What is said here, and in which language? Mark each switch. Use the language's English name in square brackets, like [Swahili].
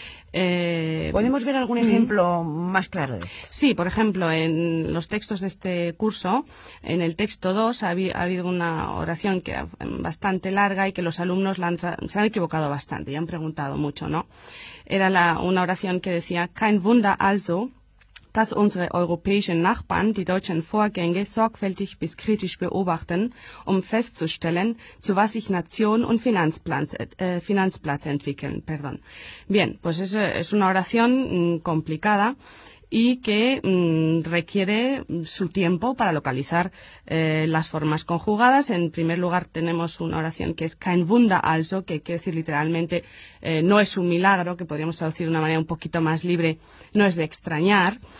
[Spanish] ¿Podemos ver algún ejemplo más claro de esto? Sí, por ejemplo, en los textos de este curso, en el texto 2 ha habido una oración que bastante larga y que los alumnos se han equivocado bastante y han preguntado mucho, ¿no? Era una oración que decía: [German] Kein Wunder also, dass unsere europäischen Nachbarn die deutschen Vorgänge sorgfältig bis kritisch beobachten, um festzustellen, zu was sich Nation und Finanzplatz entwickeln. [Spanish] Perdón. Bien, pues es una oración complicada y que requiere su tiempo para localizar las formas conjugadas. En primer lugar, tenemos una oración que es [German] kein Wunder also, [Spanish] que quiere decir literalmente no es un milagro, que podríamos traducir de una manera un poquito más libre, no es de extrañar.